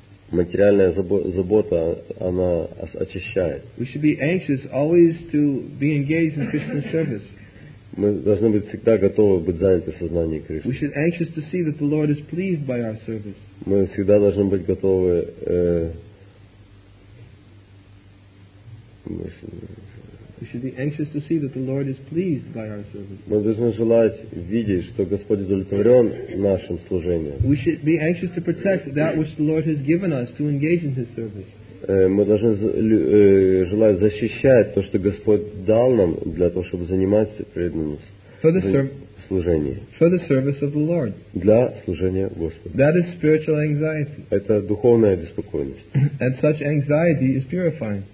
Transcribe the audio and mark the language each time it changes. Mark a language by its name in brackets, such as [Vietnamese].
[Russian] Материальная забота, она очищает. [English] We should be anxious always to be engaged in Krishna's service. [Russian] Мы должны быть всегда готовы быть заняты сознанием Кришны. [English] We should be anxious to see that the Lord is pleased by our service. [Russian] Мы всегда должны быть готовы [English] We should be anxious to see that the Lord is pleased by our service. [Russian] Мы должны желать видеть, что Господь удовлетворен нашим служением. [English] We should be anxious to protect that which the Lord has given us to engage in His service. [Russian] Мы должны желать защищать то, что Господь дал нам для того, чтобы заниматься преданным служением. [English] For the service of the Lord. [Russian] Для служения Господу. [English] That is spiritual anxiety. [Russian] Это духовная беспокойность. [English] And such anxiety is purifying.